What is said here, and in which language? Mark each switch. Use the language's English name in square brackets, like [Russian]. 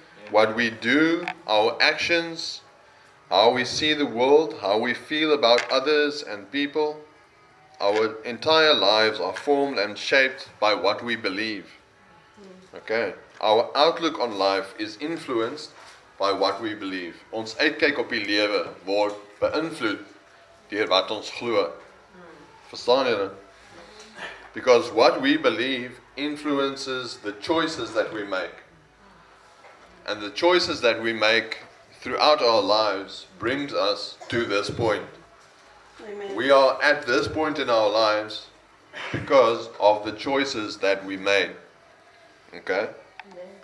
[English] What we do, our actions, how we see the world, how we feel about others and people, our entire lives are formed and shaped by what we believe. Okay? Our outlook on life is influenced by what we believe. [Afrikaans] Ons uitkyk op die lewe word beïnvloed deur wat ons glo. Verstaan jy dit? [English] Because what we believe influences the choices that we make. And the choices that we make throughout our lives brings us to this point. Amen. We are at this point in our lives because of the choices that we made. Okay? Amen.